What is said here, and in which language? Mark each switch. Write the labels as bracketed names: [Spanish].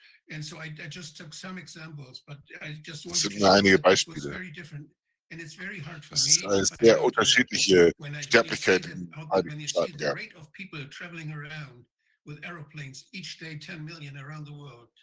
[English] And so I just took some examples, but I just wanted to show you that it was very different. And it's very hard for me. [German] Es ist eine sehr unterschiedliche Sterblichkeit in allen Staaten. [English] The rate of people traveling around with aeroplanes each day 10 million around the world.